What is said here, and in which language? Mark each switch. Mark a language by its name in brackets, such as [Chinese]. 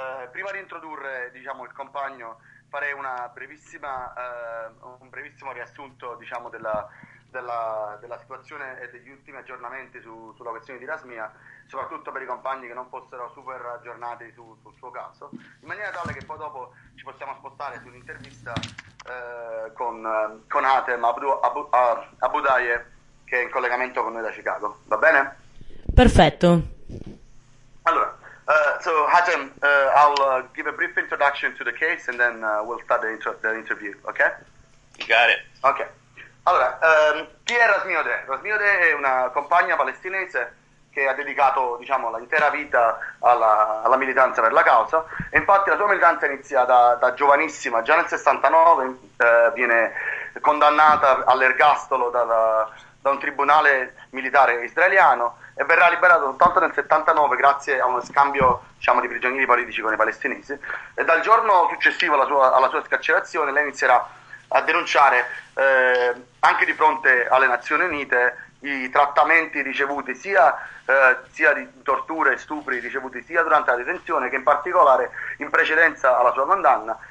[Italian] Prima di introdurre, diciamo, il compagno, farei un brevissimo riassunto, diciamo, della situazione e degli ultimi aggiornamenti sulla questione di Rasmia, soprattutto per i compagni che non fossero super aggiornati sul suo caso, in maniera tale che poi dopo ci possiamo spostare su un'intervista con Atem Abudaye, che è in collegamento con noi da Chicago. Va bene? Perfetto. [English] Allora, so Atem, I'll give a brief introduction to the case and then we'll start the interview, okay? You got it. [Italian] Okay. Allora, chi è Rasmiode? Rasmiode è una compagna palestinese che ha dedicato, diciamo, l'intera vita alla militanza per la causa, e infatti la sua militanza inizia da giovanissima. Già nel 69 viene condannata all'ergastolo da un tribunale militare israeliano e verrà liberata soltanto nel 79 grazie a uno scambio, diciamo, di prigionieri politici con i palestinesi, e dal giorno successivo alla sua scarcerazione lei inizierà a denunciare anche di fronte alle Nazioni Unite i trattamenti ricevuti sia di torture e stupri ricevuti sia durante la detenzione che in particolare in precedenza alla sua condanna.